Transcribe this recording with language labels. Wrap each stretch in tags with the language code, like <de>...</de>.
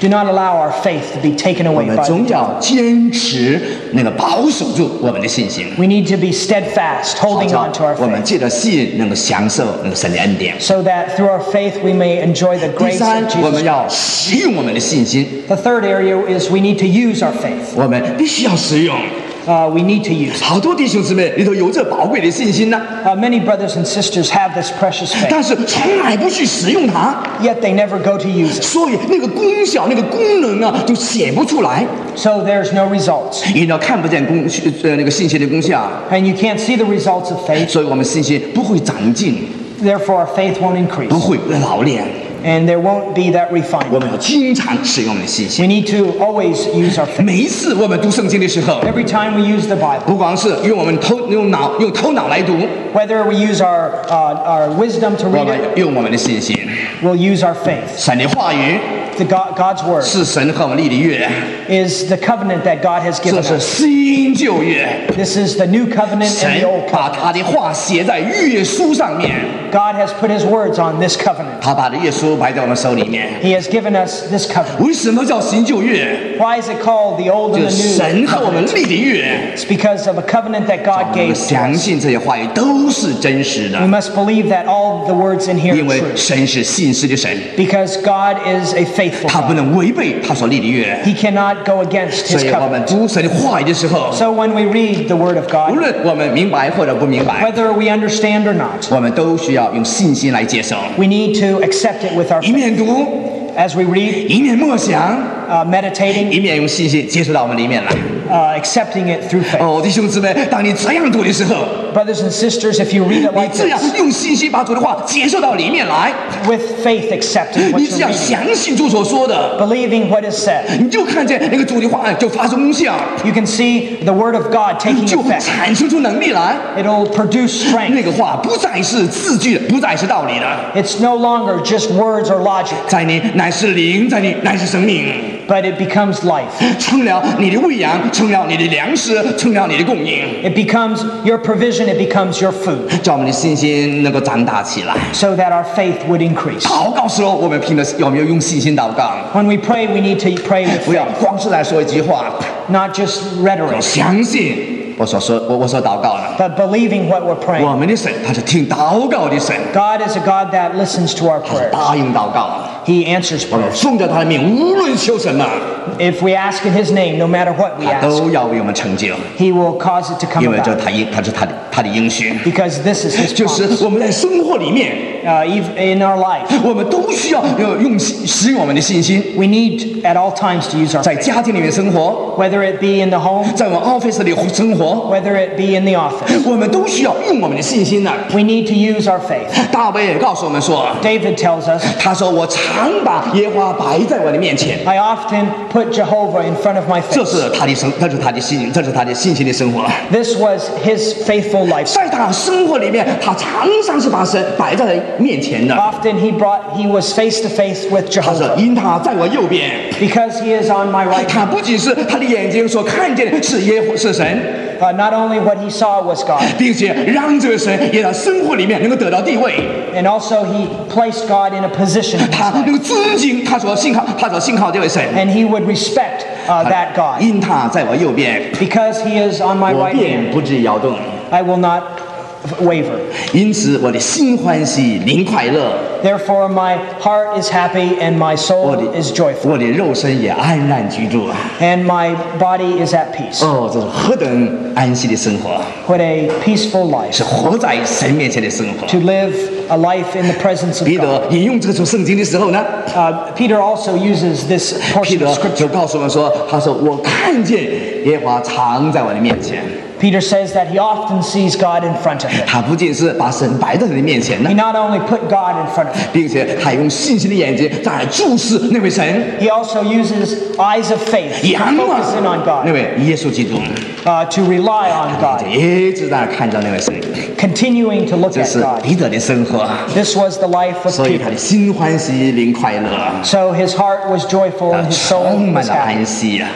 <en>Do not allow our faith to be taken away by the devil. We need to be steadfast, holding on to our faith. So that through our faith we may enjoy the grace of Jesus Christ. The third area is we need to use our faith. We need to use.</en> <zh>好多弟兄姊妹里头有这宝贵的信心呢。</zh> <en>Many brothers and sisters have this precious faith.</en> <zh>但是从来不去使用它。</zh> <en>Yet they never go to use it.</en> <zh>所以那个功效、那个功能啊，就显不出来。</zh> <en>So there's no results.</en> <zh>你呢看不见功那个信心的功效。</zh> <en>And you can't see the results of faith.</en> <zh>所以我们信心不会长进。</zh> <en>Therefore, our faith won't increase.</en> <zh>不会老练。</zh> <en>And there won't be that refinement. We need to always use our faith.</en> <zh>每一次我们读圣经的时候</zh> <en>Every time we use the Bible.</en> <zh>不光是用我们头用头脑来读</zh> <en>Whether we use our wisdom to read it.</en> <zh>我们用我们的信心</zh> <en>We'll use our faith.</en> <zh>神的话语</zh> <en>God's word.</en> <zh>是神和我们立的约</zh> <en>Is the covenant that God has given us.</en> <zh>这是新旧约</zh> <en>This is the new covenant and the old covenant.</en> <zh>神把他的话写在约书上面</zh> <en>God has put his words on this covenant.</en> <zh>他把这约书</zh> <en>He has given us this covenant. Why is it called the old and the new covenant? It's because of a covenant that God gave to us. We must believe that all the words in here are true. Because God is a faithful God. He cannot go against his covenant. So when we read the word of God, whether we understand or not, we need to accept it with our faith.</en> <zh>一面读</zh> <en>as we read,</en> <zh>一面默想</zh> <en>meditating,</en> <zh>一面用信心接触到我们里面来</zh> <en>accepting it through faith.</en> <zh>哦，弟兄姊妹，当你这样读的时候</zh> <en>brothers and sisters, if you read it like this,</en> <zh>你这样用信心把主的话接受到里面来</zh> <en>with faith accepting what you're reading,</en> <zh>你这样相信主所说的</zh> <en>believing what is said,</en> <zh>你就看见那个主的话就发生功效</zh> <en>you can see the word of God taking effect,</en> <zh>就产生出能力来</zh> <en>it'll produce strength.</en> <zh>那个话不再是字句，不再是道理的</zh> <en>it's no longer just words or logic.</en> <zh>在你乃是灵，在你乃是生命</zh> <en>but it becomes life.</en> <zh>成了你的喂养，成了你的粮食，成了你的供应</zh> <en>it becomes your provision, it becomes your food.</en> <zh>叫我们的信心能够长大起来</zh> <en>so that our faith would increase.</en> <zh>祷告时候我们凭着有没有用信心祷告</zh> <en>when we pray, we need to pray with faith.</en> <zh>不要光是来说一句话</zh> <en>not just rhetoric.</en> <zh>相信我所祷告的</zh> <en>but believing what we're praying.</en> <zh>我们的神他是听祷告的神</zh> <en>God is a God that listens to our prayers.</en> <zh>他是答应祷告的</zh> <en>He answers prayers. If we ask in His name, no matter what we ask, He will cause it to come about. Because this is His promise.</en> <zh>就是我们在生活里面</zh> <en>in our life,</en> <zh>我们都需要用使用我们的信心</zh> <en>we need at all times to use our faith.</en> <zh>在家庭里面生活</zh> <en>whether it be in the home,</en> <zh>在我们 office 里生活</zh> <en>whether it be in the office,</en> <zh>我们都需要用我们的信心的</zh> <en>we need to use our faith.</en> <zh>大卫也告诉我们说</zh> <en>David tells us,</en> <zh>他说我常把耶和华摆在我的面前</zh> <en>I often put Jehovah in front of my face.</en> <zh>这是他的信心，这是他的信心的生活。</zh> <en>This was his faithful life.</en> <zh>在他生活里面，他常常是把神摆在面前的。</zh> <en>Often he was face to face with Jehovah.</en> <zh>他说因他在我右边。</zh> <en>Because he is on my right.</en> <zh>他不仅是他的眼睛所看见的是耶和华是神。</zh> <en>Not only what he saw was God,</en> <zh>并且让这个神也在生活里面能够得到地位。</zh> <en>And also he placed God in a position.</en> <zh>他能够尊敬他所信靠他所信靠这位神。</zh> <en>And he would respect that God.</en> <zh>因他在我右边。</zh> <en>Because he is on my right hand.</en> <zh>我便不至摇动。</zh> <en>I will not waver.</en> <zh>因此我的心欢喜灵快乐。</zh> <en>Therefore my heart is happy and my soul is joyful.</en> <zh>我的肉身也安然居住。</zh> <en>And my body is at peace.</en> <zh>哦，这是何等安息的生活。</zh> <en>What a peaceful life.</en> <zh>是活在神面前的生活。</zh> <en>To live a life in the presence of God.</en> <zh>彼得引用这处圣经的时候呢？</zh> <en>Peter also uses this portion of scripture.</en> <zh>彼得就告诉我们说，他说我看见耶和华常在我的面前。</zh> <en>Peter says that he often sees God in front of him.</en> <zh>他不仅是把神摆在他的面前呢。</zh> <en>He not only put God in front of him.</en> <zh>并且他用信心的眼睛在注视那位神。</zh> <en>He also uses eyes of faith to focus in on God.</en> <zh>那位耶稣基督。</zh> <en>To rely on God.</en> <zh>一直在看着那位神。</zh> <en>Continuing to look at God.</en> <zh>这是彼得的生活。</zh> <en>This was the life of Peter.</en> <zh>所以他的心欢喜灵快乐。</zh> <en>So his heart was joyful and his soul was happy.</en>